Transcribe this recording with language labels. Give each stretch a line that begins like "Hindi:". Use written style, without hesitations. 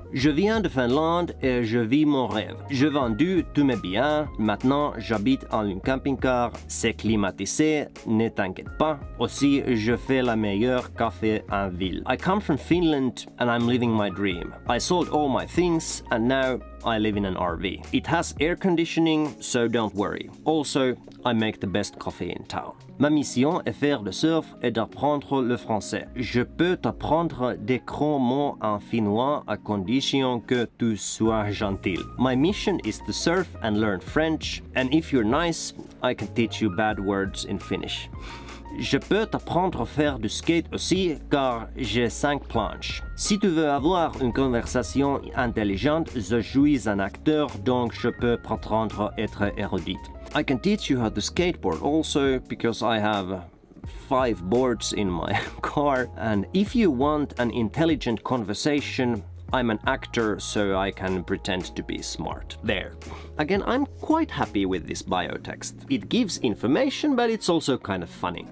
French: Je viens de Finlande et je vis mon rêve. Je vendu tous mes biens. Maintenant, j'habite en un camping-car. C'est climatisé, ne t'inquiète pas. Aussi, je fais la meilleure café en ville.
English: I come from Finland and I'm living my dream. I sold all my things and now I live in an RV. It has air conditioning, so don't worry. Also, I make the best coffee in town.
French: Ma mission est faire le surf et d'apprendre le français. Je peux t'apprendre des grands mots en finnois à condition que tu sois gentil.
English: My mission is to surf and learn French, and if you're nice, I can teach you bad words in Finnish.
French: Je peux t'apprendre à faire du skate aussi, car j'ai 5 planches. Si tu veux avoir une conversation intelligente, je suis un acteur, donc je peux prétendre être érudite.
English: I can teach you how to skateboard also, because I have 5 boards in my car. And if you want an intelligent conversation, I'm an actor, so I can pretend to be smart. There. Again, I'm quite happy with this bio text. It gives information, but it's also kind of funny.